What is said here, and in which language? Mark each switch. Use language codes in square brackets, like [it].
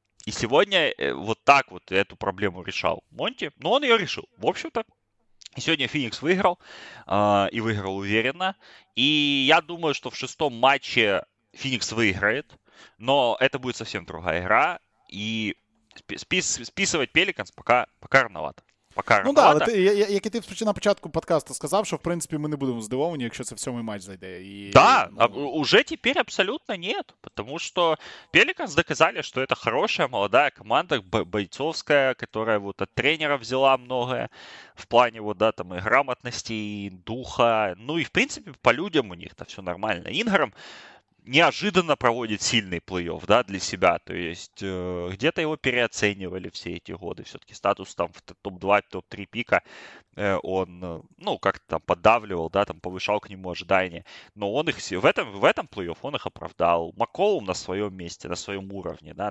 [ru] И сегодня вот так вот эту проблему решал Монти, но он ее решил, в общем-то. Сегодня Феникс выиграл, и выиграл уверенно. И я думаю, что в шестом матче Феникс выиграет, но это будет совсем другая игра. И списывать Пеликанс пока рановато. Пока [uk] ну так, да, як і ти на початку подкасту сказав, що в принципі ми не будемо здивовані, якщо це в сьомий матч зайде. Так, да, ну... вже тепер абсолютно ні. Тому що Pelicans доказали, що це хороша молода команда бойцовська, яка вот від тренера взяла многое в плані вот, да, там, і грамотності, і духа. Ну і в принципі по людям у них все нормально. Інграм, [ru] неожиданно проводит сильный плей-офф, да, для себя. То есть где-то его переоценивали все эти годы. Все-таки статус там в топ-2, топ-3 пика он, ну, как-то там поддавливал, да, там повышал к нему ожидания. Но он их в этом плей-офф он их оправдал. Макколум на своем месте, на своем уровне, да.